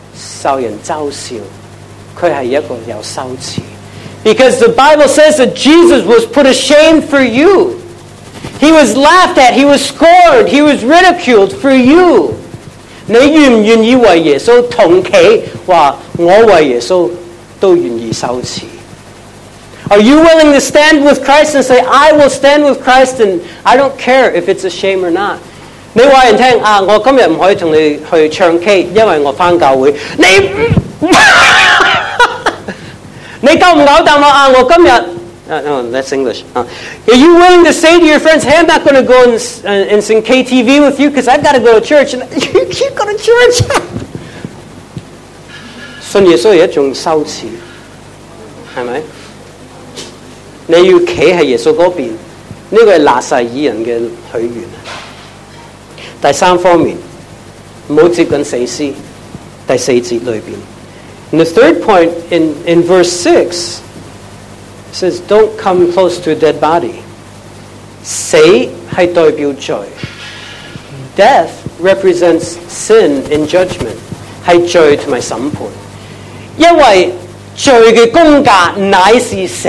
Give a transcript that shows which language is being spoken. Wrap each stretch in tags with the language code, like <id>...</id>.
<yue>受人嘲笑，佢系一个有羞耻。</yue> <en>Because the Bible says that Jesus was put ashamed for you. He was laughed at, he was scorned, he was ridiculed for you.</en> <yue>你愿唔愿意为耶稣同企？话我为耶稣都愿意羞耻。</yue> <en>Are you willing to stand with Christ and say, "I will stand with Christ, and I don't care if it's a shame or not"?</en> <yue>你話人聽啊！我今日唔可以同你去唱 K， 因為我翻教會。你你夠唔夠膽啊？我今日</yue> <en>，no that's English、啊。 Are you willing to say to your friends, "Hey, I'm not going to go and sing KTV with you because I've got to go to church"? You keep going to church 。</en> <yue>信耶穌係一種羞恥，係咪？你要企喺耶穌嗰邊，呢个系拿撒耳人嘅许愿。第三方面，唔好接近死尸。第四节里边</yue> <en>，the third point in verse 6 says, "Don't come close to a dead body."</en> <yue>死系代表罪</yue> <en>，death represents sin in judgment，</en> <yue>系罪同埋审判。因为罪嘅公价乃是死</yue>